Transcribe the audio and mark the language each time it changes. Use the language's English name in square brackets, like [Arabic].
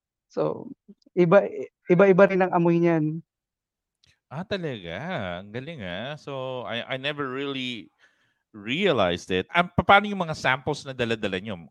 [Filipino] So, iba-iba rin ang amoy niyan. Ah, talaga? Ang galing ah. [English] So, I never really realized it. [Filipino] Paano yung mga samples na dala-dala nyo?